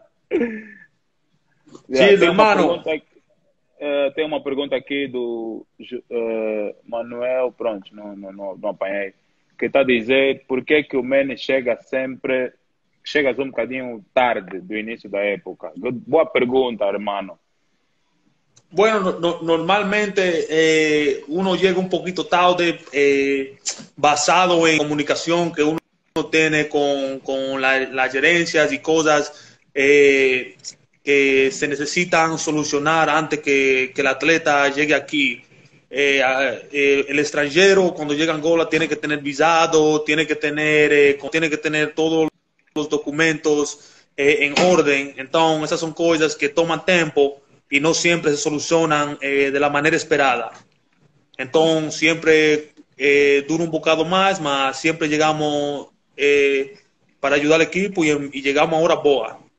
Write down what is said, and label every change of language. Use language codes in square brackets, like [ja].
[pt] Sim, sí, irmão. Tem uma pergunta aqui do Manuel, pronto, não apanhei, que está a dizer por que que o Mene chega sempre, chega um bocadinho tarde do início da época. Boa pergunta, irmão. [es] Bueno, no, normalmente uno llega un poquito tarde basado en comunicación que uno tiene con las gerencias y cosas que se necesitan solucionar antes que el atleta llegue aquí. El extranjero cuando llega a Angola tiene que tener visado, tiene que tener todos los documentos en orden. Entonces, esas son cosas que toman tiempo. [pt] E não sempre se solucionam de la maneira esperada. Então, sempre dura um bocado mais, mas sempre chegamos para ajudar o equipo e chegamos a hora boa.